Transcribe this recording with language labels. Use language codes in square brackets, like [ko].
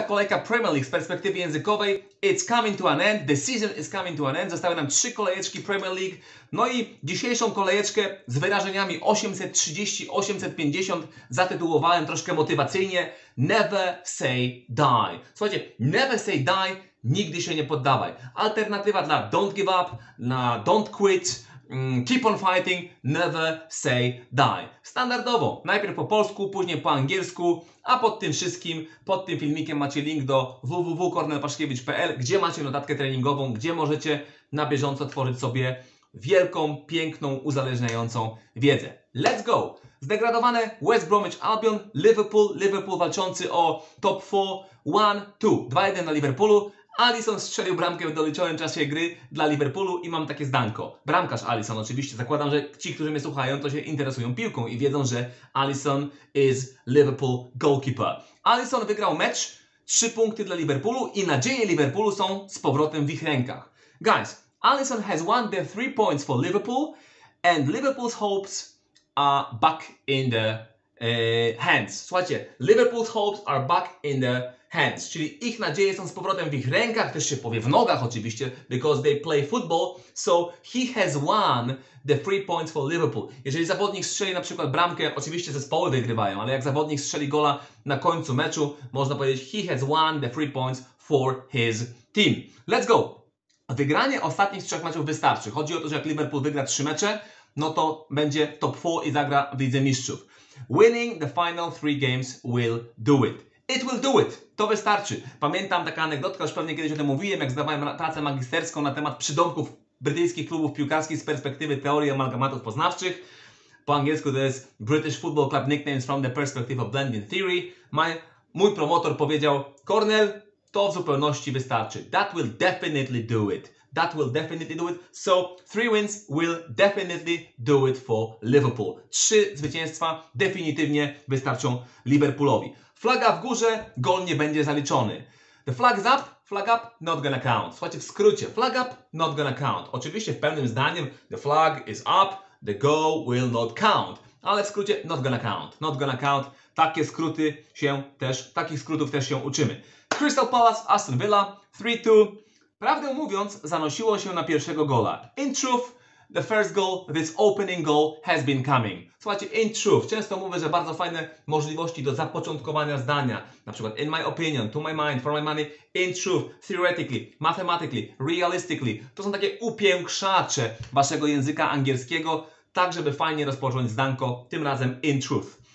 [pl] kolejka Premier League z perspektywy językowej. [en] It's coming to an end, the season is coming to an end. [pl] Zostały nam 3 kolejeczki Premier League. No i dzisiejszą kolejeczkę z wyrażeniami 830-850 zatytułowałem troszkę motywacyjnie [en] Never say die. [pl] Słuchajcie, [en] never say die, [pl] nigdy się nie poddawaj. Alternatywa dla [en] don't give up, na don't quit, keep on fighting, never say die. [pl] Standardowo, najpierw po polsku, później po angielsku, a pod tym wszystkim, pod tym filmikiem macie link do www.kornelpaszkiewicz.pl, gdzie macie notatkę treningową, gdzie możecie na bieżąco tworzyć sobie wielką, piękną, uzależniającą wiedzę. [en] Let's go! [pl] Zdegradowane West Bromwich Albion, Liverpool, Liverpool walczący o top 4, 1-2, 2-1 na Liverpoolu. Alisson strzelił bramkę w doliczonym czasie gry dla Liverpoolu i mam takie zdanko. Bramkarz Alisson oczywiście, zakładam, że ci, którzy mnie słuchają, to się interesują piłką i wiedzą, że [en] Alisson is Liverpool goalkeeper. [pl] Alisson wygrał mecz, 3 punkty dla Liverpoolu i nadzieje Liverpoolu są z powrotem w ich rękach. [en] Guys, Alisson has won the 3 points for Liverpool and Liverpool's hopes are back in the hands. [pl] Słuchajcie, [en] Liverpool's hopes are back in the hands, [pl] czyli ich nadzieje są z powrotem w ich rękach, też się powie w nogach oczywiście, [en] because they play football, so he has won the 3 points for Liverpool. [pl] Jeżeli zawodnik strzeli na przykład bramkę, oczywiście zespoły wygrywają, ale jak zawodnik strzeli gola na końcu meczu, można powiedzieć [en] he has won the 3 points for his team. Let's go! [pl] Wygranie ostatnich z 3 meczów wystarczy. Chodzi o to, że jak Liverpool wygra 3 mecze, no to będzie top 4 i zagra w Lidze Mistrzów. [en] Winning the final 3 games will do it. It will do it. [pl] To wystarczy. Pamiętam taka anegdotka, już pewnie kiedyś o tym mówiłem, jak zdawałem pracę magisterską na temat przydomków brytyjskich klubów piłkarskich z perspektywy teorii amalgamatów poznawczych. Po angielsku to jest [en] British Football Club Nicknames from the Perspective of Blending Theory. [pl] Mój promotor powiedział, Cornel, to w zupełności wystarczy. [en] That will definitely do it. That will definitely do it. So, 3 wins will definitely do it for Liverpool. [pl] 3 zwycięstwa definitywnie wystarczą Liverpoolowi. Flaga w górze, gol nie będzie zaliczony. [en] The flag's up, flag up, not gonna count. [pl] Słuchajcie, w skrócie, [en] flag up, not gonna count. [pl] Oczywiście w pełnym zdaniem, [en] the flag is up, the goal will not count. [pl] Ale w skrócie, [en] not gonna count, not gonna count. [pl] Takie skróty się też, takich skrótów też się uczymy. Crystal Palace, Aston Villa, 3-2. Prawdę mówiąc, zanosiło się na pierwszego gola. [en] In truth, the first goal, this opening goal has been coming. [pl] Słuchajcie, [en] in truth, [pl] często mówię, że bardzo fajne możliwości do zapoczątkowania zdania. Na przykład, [en] in my opinion, to my mind, for my money, in truth, theoretically, mathematically, realistically. [pl] To są takie upiększacze waszego języka angielskiego, tak żeby fajnie rozpocząć zdanko, tym razem in truth.